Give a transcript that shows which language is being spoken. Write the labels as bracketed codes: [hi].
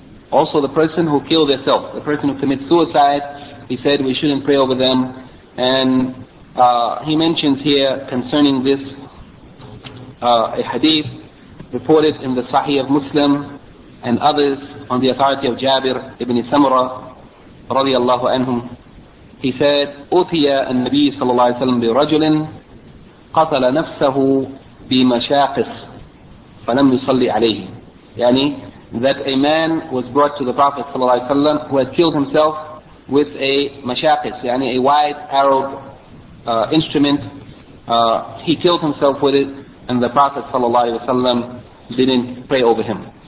[en] Also, the person who killed himself, the person who commits suicide, he said we shouldn't pray over them. And he mentions here concerning this a hadith reported in the Sahih of Muslim and others on the authority of Jabir ibn Samurah radiallahu anhum. [ar] He said, أُثِيَ النَّبِي صلى الله عليه وسلم بِرَجُلٍ قَتَلَ نَفْسَهُ بِمَشَاقِسٍ فَلَمْ يُصَلِّ عَلَيْهِ. [en] Yani, that a man was brought to the Prophet صلى الله عليه وسلم who had killed himself with a mashaqis, yani a wide arrow instrument. He killed himself with it, and the Prophet صلى الله عليه وسلم didn't pray over him.